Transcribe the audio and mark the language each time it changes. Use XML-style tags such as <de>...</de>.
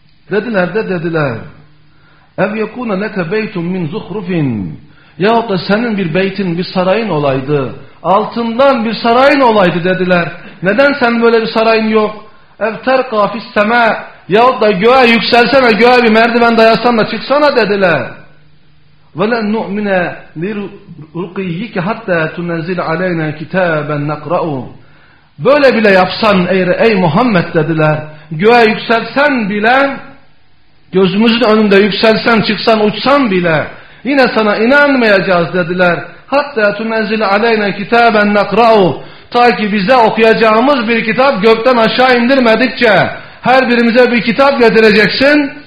<tr>Dediler de dediler.</tr> <ar>Ev yekûne leke beytun min zuhrufin.</ar> <tr>Yahut da senin bir beytin, bir sarayın olaydı. Altından bir sarayın olaydı dediler. Neden sen böyle bir sarayın yok?</tr> <ar>Ev terkâ fis semâ.</ar> <tr>Yahut da göğe yükselsene, göğe bir merdiven dayasan da çıksana dediler.</tr> <ar>وَلَنْ نُؤْمِنَ لِرُقِيِّكِ حَتَّى تُنَزِّلَ عَلَيْنَا كِتَابًا نَقْرَأُ</ar> <tr>Böyle bile yapsan ey Muhammed dediler. Göğe yükselsen bile, gözümüzün önünde yükselsen, çıksan, uçsan bile yine sana inanmayacağız dediler.</tr> <ar>حَتَّى تُنَزِّلَ عَلَيْنَا كِتَابًا نَقْرَأُ</ar> <tr>Ta ki bize okuyacağımız bir kitap gökten aşağı indirmedikçe her birimize bir kitap getireceksin.</tr>